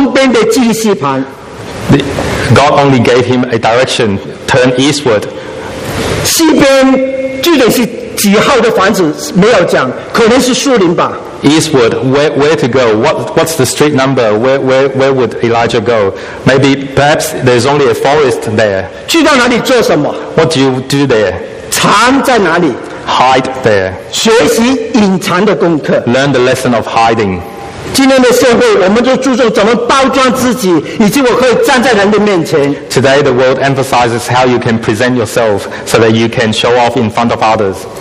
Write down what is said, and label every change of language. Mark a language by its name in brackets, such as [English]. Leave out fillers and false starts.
[Chinese] 去的是一个方向，东边。神带领到东边的基利西盘。God [English] only gave him a direction: turn eastward. [Chinese] 西边具体是几号的房子没有讲，可能是树林吧。 [English] Eastward, where to go? What's the street number? Where would Elijah go? Maybe, perhaps there's only a forest there. [Chinese] 去到哪里做什么? [English] What do you do there? [Chinese] 藏在哪里? [English] Hide there. [Chinese] 学习隐藏的功课. [English] Learn the lesson of hiding. [Chinese] 今天的社会，我们就注重怎么包装自己，以及我可以站在人的面前。 [English] Today, the world emphasizes how you can present yourself so that you can show off in front of others.